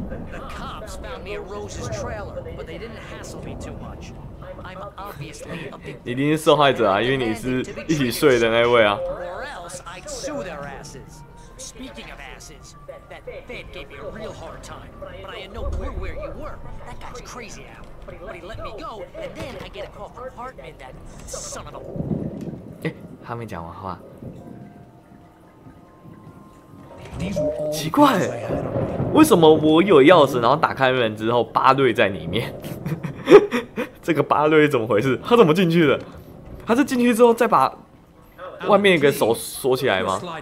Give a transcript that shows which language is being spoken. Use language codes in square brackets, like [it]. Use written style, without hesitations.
[en] The cops found me at Rose's trailer, but they didn't hassle me too much. I'm obviously a victim. [zh] 一定是受害者啊，因为你是一起睡的那位啊。 [en] Or else I'd sue their asses. Speaking of asses, that Fed gave me a real hard time, but I had no clue where you were. That guy's crazy, Al. But he let me go, and then I get a call from Hartman, that son of a. [zh] 他没讲完话。奇怪，为什么我有钥匙，然后打开门之后，巴瑞在里面？这个巴瑞怎么回事？他怎么进去的？他是进去之后再把外面一个手锁起来吗？